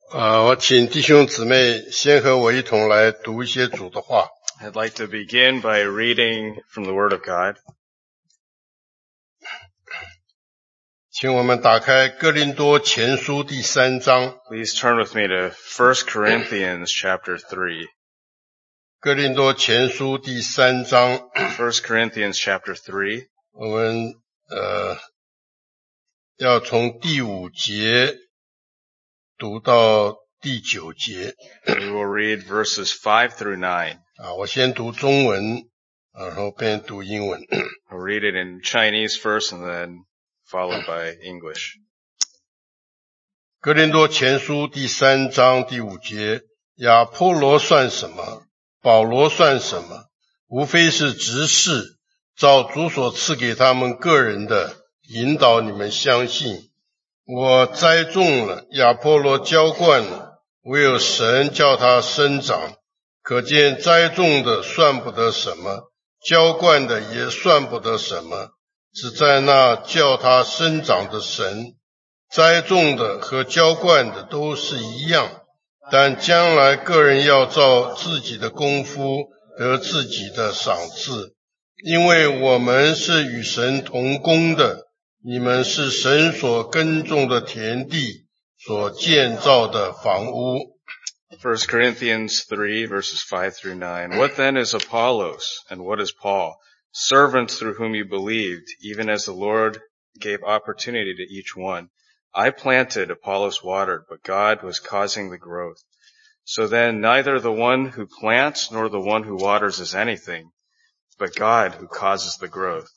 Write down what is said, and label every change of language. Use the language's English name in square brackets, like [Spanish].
[Chinese] 我请弟兄姊妹先和我一同来读一些主的话。 [English] I'd like to begin by reading from the Word of God. [Chinese] 请我们打开哥林多前书第三章。 [English] Please turn with me to 1 Corinthians chapter 3. [Chinese] 哥林多前书第三章。 [English] 1 Corinthians chapter 3. [Chinese] 我们要从第五节读到第九节。 [English] We will read verses 5 through 9. [Chinese] 我先读中文然后便读英文。 [English] I'll read it in Chinese first and then followed by English. [Chinese] 哥林多前书第三章第五节，亚波罗算什么？保罗算什么？无非是执事，照主所赐给他们个人的，引导你们相信。我栽种了，亚波罗浇灌了，唯有神叫他生长。可见栽种的算不得什么，浇灌的也算不得什么，只在那叫他生长的神。栽种的和浇灌的都是一样，但将来个人要照自己的功夫得自己的赏赐。因为我们是与神同工的，你们是神所耕种的田地，所建造的房屋。 [English] 1 Corinthians 3, verses 5 through 9. What then is Apollos, and what is Paul? Servants through whom you believed, even as the Lord gave opportunity to each one. I planted, Apollos watered, but God was causing the growth. So then neither the one who plants nor the one who waters is anything, but God who causes the growth.